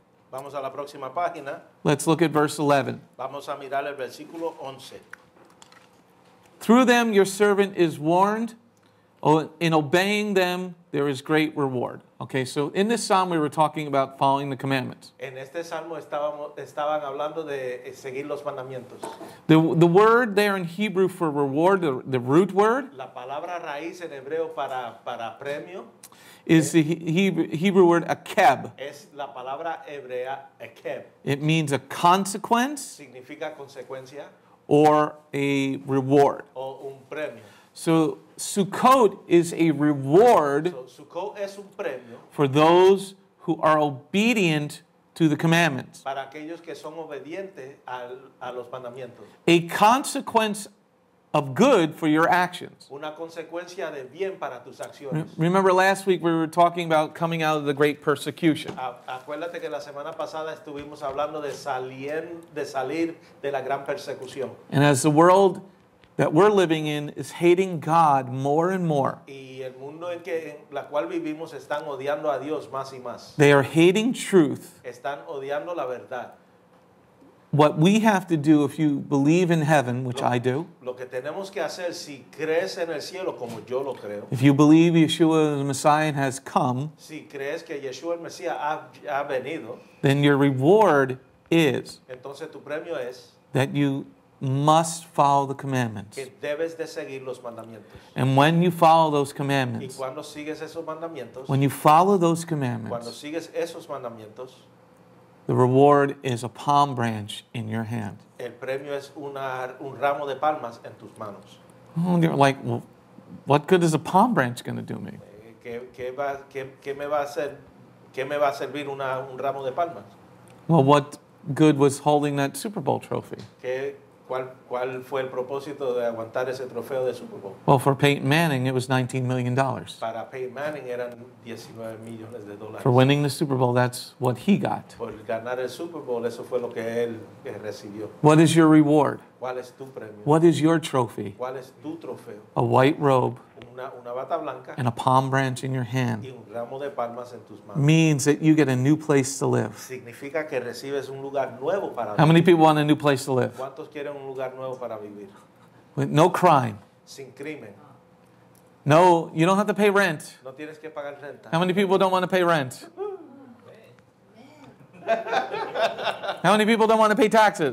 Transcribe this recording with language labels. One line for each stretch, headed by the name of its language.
Spanish: Vamos a la próxima página.
English: Let's look at verse 11.
Spanish: Vamos a mirar el versículo 11.
English: Through them, your servant is warned. Oh, in obeying them, there is great reward. Okay, so in this psalm, we were talking about following the commandments.
Spanish: En este salmo estaban hablando de seguir los mandamientos.
English: The word there in Hebrew for reward, the root word,
Spanish: la palabra raíz en hebreo para premio,
English: is the Hebrew word akeb.
Spanish: Es la palabra hebrea akeb.
English: It means a consequence.
Spanish: Significa consecuencia.
English: Or a reward.
Spanish: O un premio.
English: So Sukkot is a reward
Spanish: Sukkot es un premio
English: for those who are obedient to the commandments.
Spanish: Para aquellos que son obedientes a los mandamientos.
English: A consequence of good for your actions.
Spanish: Una consecuencia de bien para tus acciones.
English: Remember last week we were talking about coming out of the great persecution.
Spanish: Acuérdate que la semana pasada estuvimos hablando de salir de la gran persecución.
English: And as the world that we're living in is hating God more and more.
Spanish: Y el mundo en la cual vivimos están odiando a Dios más y más.
English: They are hating truth.
Spanish: Están odiando la verdad.
English: What we have to do if you believe in heaven, which I do.
Spanish: Lo que tenemos que hacer si crees en el cielo como yo lo creo.
English: If you believe Yeshua the Messiah has come.
Spanish: Si crees que Yeshua el Mesías ha venido.
English: Then your reward is.
Spanish: Entonces tu premio es.
English: That you must follow the commandments.
Spanish: Que debes de seguir los mandamientos.
English: And when you follow those commandments.
Spanish: Y cuando sigues esos mandamientos.
English: When you follow those commandments.
Spanish: Cuando sigues esos mandamientos.
English: The reward is a palm branch in your hand.
Spanish: El premio es un ramo de palmas en tus manos.
English: Oh, you're like, well, what good is a palm branch going to do me?
Spanish: ¿Qué me va a servir un ramo de palmas?
English: Well, what good was holding that Super Bowl trophy?
Spanish: ¿Cuál fue el propósito de aguantar ese trofeo de Super Bowl?
English: Well, for Peyton Manning, it was $19 million.
Spanish: Para Peyton Manning eran 19 millones de dólares.
English: For winning the Super Bowl, that's what he got.
Spanish: Por ganar el Super Bowl, eso fue lo que él recibió.
English: What is your reward?
Spanish: ¿Cuál es tu premio?
English: What is your trophy?
Spanish: ¿Cuál es tu trofeo?
English: A white robe.
Spanish: Una bata blanca.
English: And a palm branch in your hand.
Spanish: Y un ramo de palmas en tus manos.
English: Means that you get a new place to live.
Spanish: Significa que recibes un lugar nuevo para vivir.
English: How many people want a new place to live?
Spanish: ¿Cuántos quieren un lugar nuevo para vivir?
English: With no crime.
Spanish: Sin crimen.
English: No, you don't have to pay rent.
Spanish: No tienes que pagar renta.
English: How many people don't want to pay rent? How many people don't want to pay taxes?